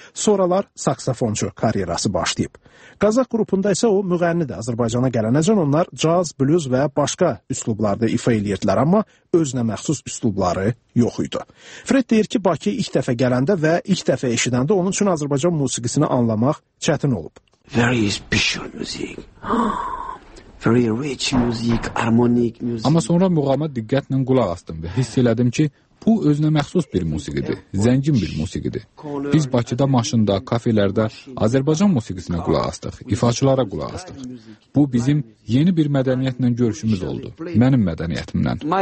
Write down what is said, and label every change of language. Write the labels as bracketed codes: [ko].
[az] Sonralar saksafonçu karyerası başlayıb. Qazaq qrupunda isə o müğənnidir. Azərbaycana gələnəcən onlar caz, bluz və başqa üslublarda ifa eləyirdilər, amma özünə məxsus üslubları yox idi. Fred deyir ki, Bakıya ilk dəfə gələndə və ilk dəfə eşidəndə onun üçün Azərbaycan musiqisini anlamaq çətin olub. [en] Very special music. Very rich music, harmonic music. [az] Amma sonra muğama diqqətlə qulaq astım və hiss elədim ki, bu özünə məxsus bir musiqidir, zəngin bir musiqidir. Biz Bakıda maşında, kafelərdə Azərbaycan musiqisinə qulaq astıq, ifaçılara qulaq astıq. Bu bizim yeni bir mədəniyyətlə görüşümüz oldu, mənim mədəniyyətimlə.